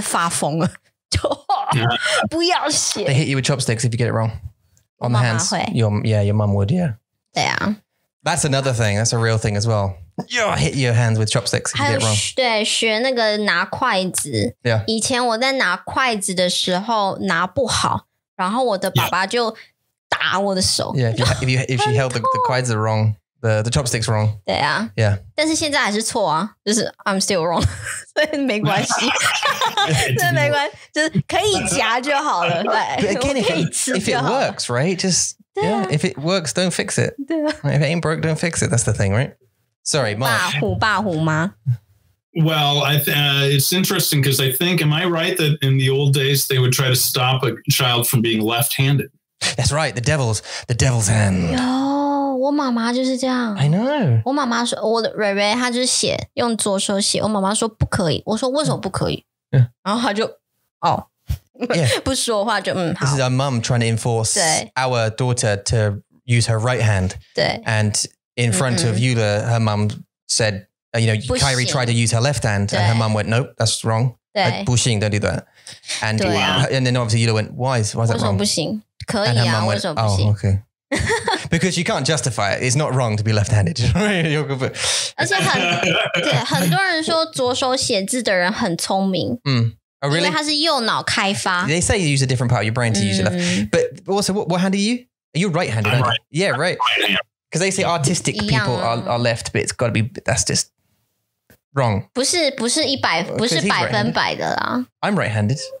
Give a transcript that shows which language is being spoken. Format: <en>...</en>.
<zh>而且一定要很多虎妈就你一定要写书法，然后坐在桌子前面这样写，然后写一个小时，那小朋友都快发疯了，就不要写。</zh> <en>They hit you with chopsticks if you get it wrong on the hands.</en> <zh>妈妈会。</zh> <en>Your mom would, yeah.</en> <zh>对啊。</zh> <en>That's another thing. That's a real thing as well. Yeah, hit your hands with chopsticks if you get it wrong.</en> <zh>对，学那个拿筷子。以前我在拿筷子的时候拿不好，然后我的爸爸就</zh> <en>If she held the quads are wrong, the chopsticks wrong. Yeah.</en> <zh>但是现在还是错啊，就是</zh> <en>I'm still wrong.</en> <zh>所以没关系，真的没关系，就是可以夹就好了。对，可以吃。</zh> <en>If it works, right? Just yeah. If it works, don't fix it. If it ain't broke, don't fix it. That's the thing, right? Sorry, Mark.</en> <zh>霸虎吗？</zh> <en>Well, it's interesting because I think, am I right that in the old days they would try to stop a child from being left-handed? That's right, the devil's hand. Yo, my mom's like that. I know. My mom said, Ray Ray, she just wrote, use the left hand. My mom said, no. I said, why can't you? Yeah. And then she said, oh. Yeah.</en> <zh>不说话就,</zh> <en>this is our mom trying to enforce our daughter to use her right hand. And in front of Eula, her mom said, You know, Kyrie tried to use her left hand and her mom went, nope, that's wrong. Like,</en> <zh>不行,</zh> <en>don't do that. And, and then obviously Yula went, why is that wrong?</en> <zh>不行?可以啊,</zh> <en>and her mom went, oh, okay. Because you can't justify it. It's not wrong to be left-handed.</en> <zh>而且很多人说左手写字的人很聪明。</zh> <en>Oh, really?</en> <zh>因为他是右脑开发。</zh> <en>They say you use a different part of your brain to use your left. But also, what hand are you? Are you right-handed? I'm right. Yeah, right. Because they say artistic people are left, but it's got to be, that's just wrong.</en> <zh>不是100%的啦。</zh> <en>I'm right-handed.</en>